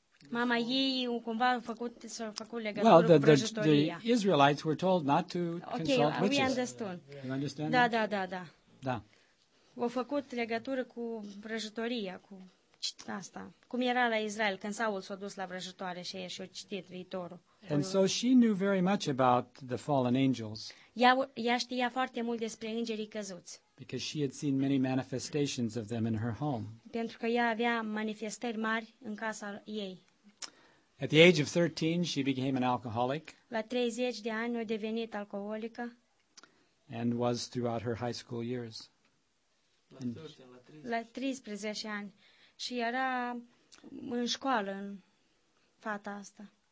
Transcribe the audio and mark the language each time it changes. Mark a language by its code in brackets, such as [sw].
[ro] Mama ei cumva s-a făcut legătură. [en] Well, the Israelites were told not to consult witches. Okay, we understand. You understand? [ro] Da. Da. Au făcut legătură cu vrăjitoria, cu asta. Cum era la Israel când Saul s-a dus la vrăjitoare și a și-a citit viitorul. [en] And so she knew very much about the fallen angels. [ro] Ea știa foarte mult despre îngerii căzuți. [en] Because she had seen many manifestations of them in her home. [ro] Pentru că ea avea manifestări mari în casa ei. [en] At the age of 13, she became an alcoholic. [ro] La 30 de ani a devenit alcoolică. [en] And was throughout her high school years. [ro] La 13 ani. Și era în școală, în fata asta.